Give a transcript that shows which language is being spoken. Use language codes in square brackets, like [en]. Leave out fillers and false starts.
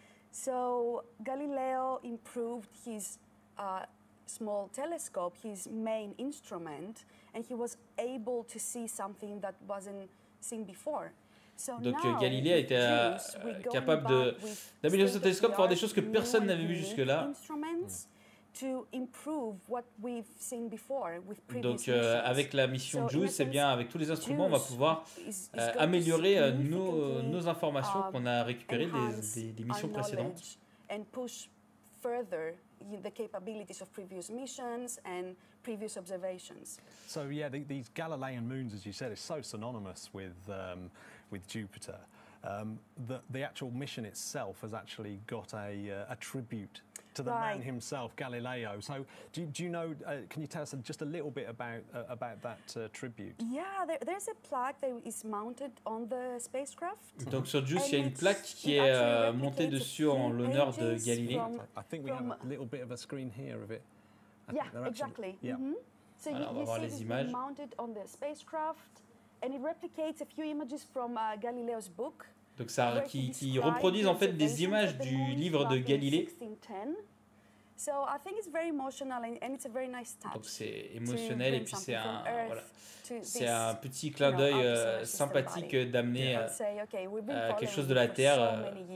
[en] So Galileo improved his small telescope, his main instrument, and he was able to see something that wasn't seen before. [fr] Donc Galilée a été capable d'améliorer son télescope pour voir des choses que personne n'avait vu jusque-là. [en] To improve what we've seen before with previous [fr] Donc avec la mission JUICE, eh bien avec tous les instruments, on va pouvoir améliorer nos informations qu'on a récupérées des missions précédentes. [en] And push further the capabilities of previous missions and previous observations. So yeah, these Galilean moons, as you said, is so synonymous with Jupiter. The actual mission itself has actually got a tribute to the man himself, Galileo. So can you tell us just a little bit about that tribute? Yeah, there's a plaque that is mounted on the spacecraft. Mm-hmm. [fr] Donc sur JUICE, il y a une plaque qui est montée dessus en l'honneur de Galilée. [en] I think we have a little bit of a screen here of it. Yeah, exactly. So you see it mounted on the spacecraft. And it replicates a few images from Galileo's book. [fr] Donc ça, qui reproduisent en fait des images du livre de Galilée. [en] So I think it's very emotional and it's a very nice touch. [fr] Donc c'est émotionnel et puis c'est un petit clin d'œil sympathique d'amener quelque chose de la Terre.